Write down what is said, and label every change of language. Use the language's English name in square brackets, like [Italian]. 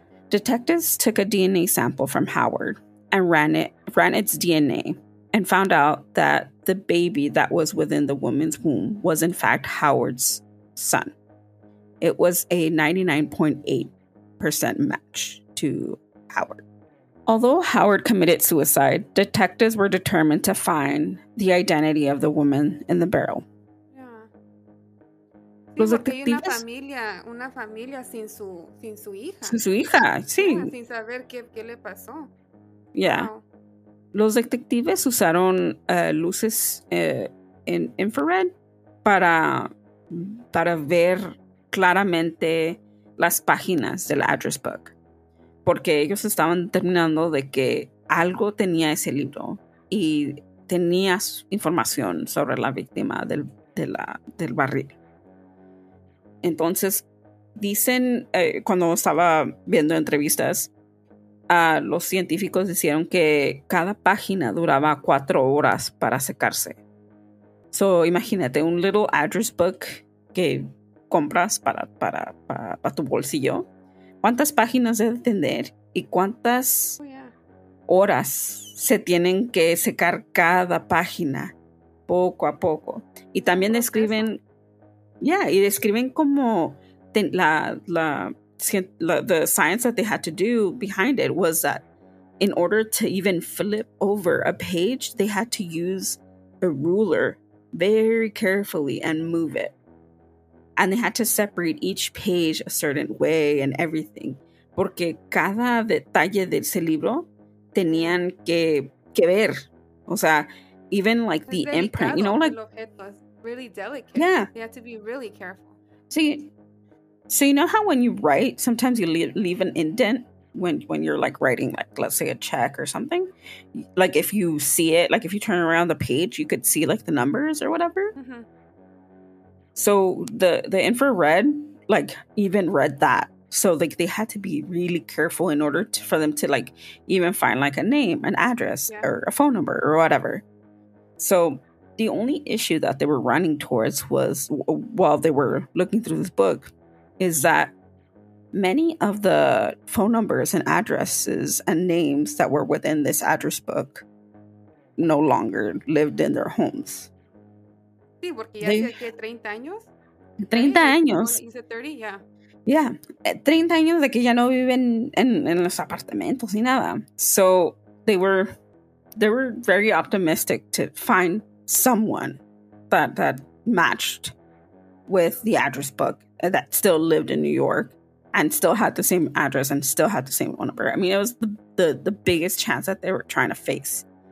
[English] Detectives took a DNA sample from Howard and ran its DNA and found out that the baby that was within the woman's womb was in fact Howard's son. It was a 99.8% match to Howard. Although Howard committed suicide, detectives were determined to find the identity of the woman in the barrel. Yeah. [Spanish] Sí, porque hay una familia sin su hija. Sí. Yeah, sin saber qué le pasó. [English] Yeah. Wow. [Spanish] Los detectives usaron luces en infrared para ver claramente las páginas del address book. Porque ellos estaban determinando de que algo tenía ese libro y tenía información sobre la víctima del barril. Entonces, dicen, cuando estaba viendo entrevistas, los científicos dijeron que cada página duraba 4 horas para secarse. So, imagínate, un [English] little address book [Spanish] que compras para tu bolsillo. ¿Cuántas páginas debe tener y cuántas horas se tienen que secar cada página poco a poco? Y también describen, y describen como [English] the science that they had to do behind it was that in order to even flip over a page, they had to use a ruler very carefully and move it. And they had to separate each page a certain way and everything. [Spanish] Porque cada detalle de ese libro tenían que ver. O sea, [English] even like the imprint, you know, like... [Spanish] El objeto [English] was really delicate. Yeah. They had to be really careful. So you know how when you write, sometimes you leave an indent? Yeah. when you're like writing, like, let's say a check or something, like if you see it, like if you turn around the page, you could see like the numbers or whatever. Mm-hmm. So the infrared like even read that. So like they had to be really careful in order to, for them to like even find like a name, an address, yeah, or a phone number or whatever. So the only issue that they were running towards was while they were looking through this book is that many of the phone numbers and addresses and names that were within this address book no longer lived in their homes. [Spanish] Sí, porque ya hace 30 años. 30 años. [English] Is it 30? Yeah. Yeah, [Spanish] 30 años de que ya no viven en los apartamentos ni nada. [English] So they were very optimistic to find someone that matched with the address book that still lived in New York and still had the same address and still had the same phone number. I mean, it was the biggest chance that they were trying to face.